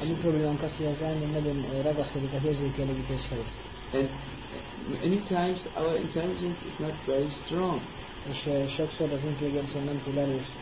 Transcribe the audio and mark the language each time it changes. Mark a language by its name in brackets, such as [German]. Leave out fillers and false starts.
[Hungarian] Ami problémánk az, hogy az elmény nagyon ragaszkodik az érzékelégítéshez. [English] And many times our intelligence is not very strong. [Hungarian] És sokszor az intelligencia nem túl erős.